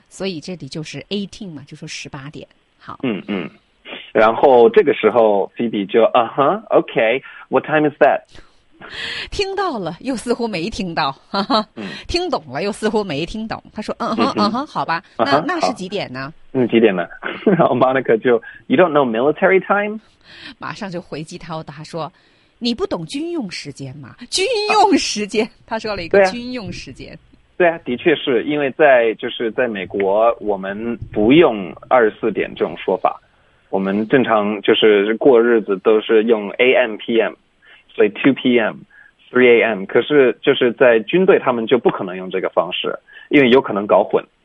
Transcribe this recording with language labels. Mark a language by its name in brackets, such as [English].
[Chinese] 所以这里就是18嘛，就说18点。好，嗯嗯，然后这个时候 Phoebe 就啊哈、， [English] OK， What time is that？ [Chinese] 听到了又似乎没听到，哈哈，听懂了又似乎没听懂，他说嗯哼嗯哼，好吧，那是几点呢？嗯，几点呢？然后 [English] Monica [Chinese] 就 [English] You don't know military time？ [Chinese] 马上就回击他，他说你不懂军用时间吗？军用时间、啊、他说了一个军用时间。对啊，的确是因为在就是在美国我们不用24点这种说法，我们正常就是过日子都是用 AM PM，所以 2 PM、3 AM， 可是就是在军队他们就不可能用这个方式，因为有可能搞混。